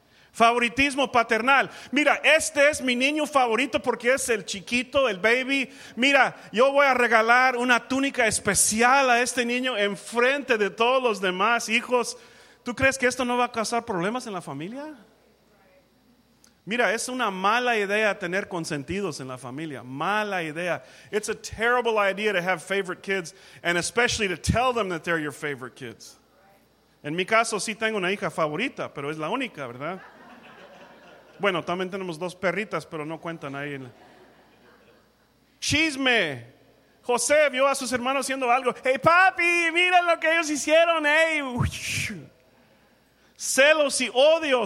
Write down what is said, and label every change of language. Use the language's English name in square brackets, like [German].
[Spanish] Favoritismo paternal. Mira, este es mi niño favorito porque es el chiquito, el baby. Mira, yo voy a regalar una túnica especial a este niño en frente de todos los demás hijos. ¿Tú crees que esto no va a causar problemas en la familia? Mira, es una mala idea tener consentidos en la familia. Mala idea. [English] It's a terrible idea to have favorite kids and especially to tell them that they're your favorite kids. [Spanish] En mi caso, sí tengo una hija favorita, pero es la única, ¿verdad? Bueno, también tenemos dos perritas, pero no cuentan ahí. Chisme. José vio a sus hermanos haciendo algo. ¡Hey, papi! ¡Mira lo que ellos hicieron! ¡Hey! Celos y odio.